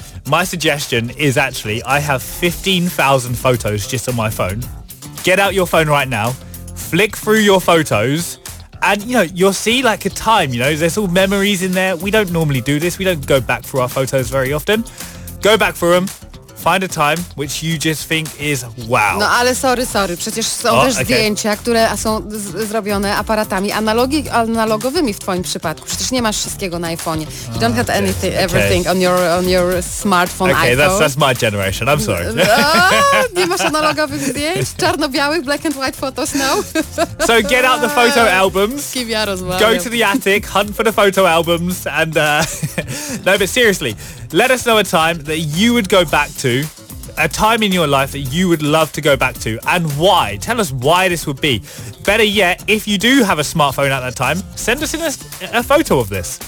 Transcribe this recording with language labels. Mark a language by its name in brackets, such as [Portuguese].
[English] My suggestion is actually, I have 15,000 photos just on my phone. Get out your phone right now, flick through your photos, and you know, you'll see like a time, you know, there's all memories in there. We don't normally do this. We don't go back through our photos very often. Go back through them. Find a time which you just think is wow. [Polish] No ale sorry, przecież są zdjęcia, które są zrobione aparatami analogowymi w twoim przypadku. Przecież nie masz wszystkiego na iPhone. [English] You don't have everything on your smartphone. Okay, iPhone. That's my generation. I'm sorry. [Polish] Nie masz analogowych zdjęć, czarno-białych [English] black and white photos, [Polish] no. [English] So get out the photo albums. [Polish] Kim ja rozmawiam. [English] Go to the attic, hunt for the photo albums and no, but seriously, let us know a time that you would go back to, a time in your life that you would love to go back to, and why. Tell us why this would be. Better yet, if you do have a smartphone at that time, send us in a photo of this.